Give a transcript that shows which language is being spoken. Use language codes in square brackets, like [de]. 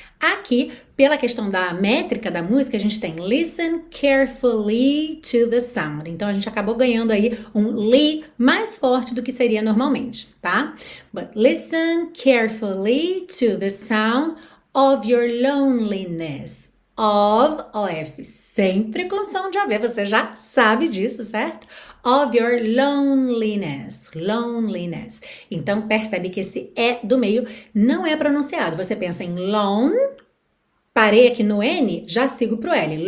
[pt] Aqui, pela questão da métrica da música, a gente tem [en] listen carefully to the sound. [pt] Então, a gente acabou ganhando aí um li mais forte do que seria normalmente, tá? [en] But listen carefully to the sound of your loneliness. [pt] Of, O-F, sempre com som de O-V, você já sabe disso, certo? [en] Of your loneliness, loneliness. [pt] Então, percebe que esse E do meio não é pronunciado. Você pensa em lone, parei aqui no N, já sigo pro L.